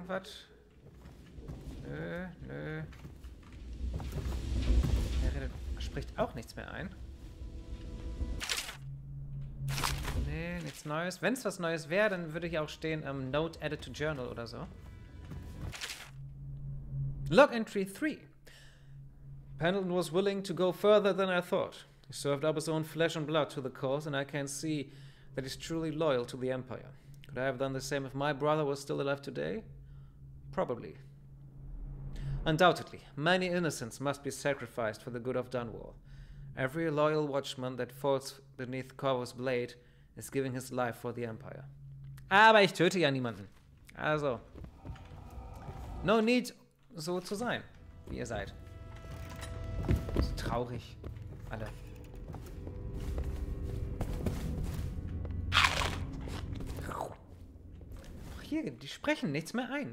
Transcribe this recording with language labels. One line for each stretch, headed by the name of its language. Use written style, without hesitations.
German: Was? Nö, nö. Spricht auch nichts mehr ein. Nee, nichts Neues. Wenn es was Neues wäre, dann würde hier auch stehen, Note added to journal oder so.
English: Log entry 3. Pendleton was willing to go further than I thought. He served up his own flesh and blood to the cause, and I can see that he's truly loyal to the Empire. Could I have done the same if my brother was still alive today? Probably. Undoubtedly, many innocents must be sacrificed for the good of Dunwall. Every loyal watchman that falls beneath Corvo's blade is giving his life for the Empire.
German: Aber ich töte ja niemanden. Also,
English: no need
German: so zu sein, wie ihr seid. So traurig, alle. Auch hier, die sprechen nichts mehr ein.